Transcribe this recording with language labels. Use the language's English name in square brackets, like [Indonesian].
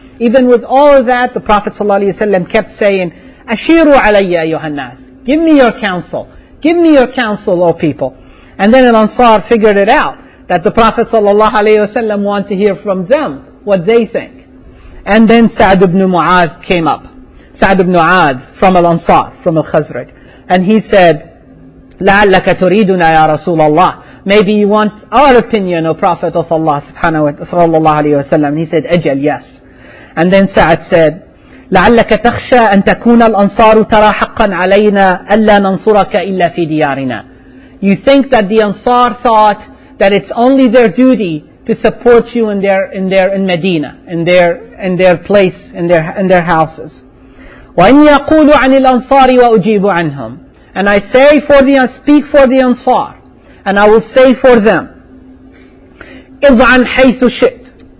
[English] Even with all of that, the Prophet ﷺ kept saying, [Arabic] أَشِيرُوا عَلَيَّ أَيُّهَا النَّاسِ. [English] Give me your counsel. Give me your counsel, O people. And then Al-Ansar figured it out, that the Prophet ﷺ wanted to hear from them what they think. And then Sa'd ibn Mu'adh came up. Sa'd ibn Mu'adh from Al-Ansar, from Al-Khazraj. And he said, [Arabic] لَعَلَّكَ تُرِيدُنَا يَا رَسُولَ اللَّهِ. [English] Maybe you want our opinion, O Prophet of Allah subhanahu wa ta'ala. And he said, أجل, yes. And then Sa'd said, [Arabic] لَعَلَّكَ تَخْشَى أَن تَكُونَ الْأَنصَارُ تَرَى حَقًّا عَلَيْنَا أَلَّا نَنصُرَكَ إِلَّا فِي دِيَارِنَا. [English] You think that the Ansar thought that it's only their duty to support you in Medina, in their place, in their houses. [Arabic] وَإِنْ يَقُولُ عَنِ الْأَنصَارِ وَأُجِيبُ عَنْهُمْ. [English] And I say for the, speak for the Ansar, and I will say for them, [Arabic] اِضْعَنْ حَيْثُ شِئْتْ.